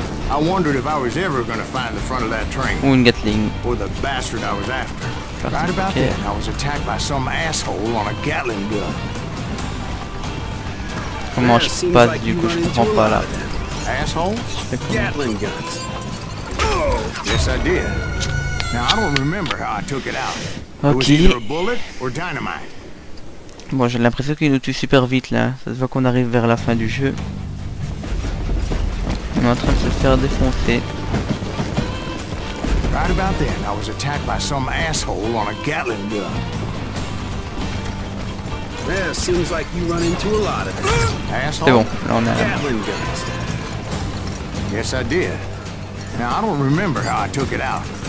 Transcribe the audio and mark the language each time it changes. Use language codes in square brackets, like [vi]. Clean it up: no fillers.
[en] I wondered if I was ever gonna find the front of that train. [fr] Ou une Gatling. [en] Or the bastard I was after. Right about then, I was attacked by some asshole on a Gatling gun. [fr] Comment je passe du coup, je comprends pas là. [en] Assholes? Gatling guns. Yes I did. Now I don't remember how I took it out. [fr] Ok. Bon, j'ai l'impression qu'il nous tue super vite là. Ça se voit qu'on arrive vers la fin du jeu. On est en train de se faire défoncer. [en] Right about then, I was attacked by some asshole on a Gatling gun. Yeah, seems like you run into a lot of assholes. [fr] C'est bon, là on a. [en] Yes, I did. Now I don't remember how I took it out.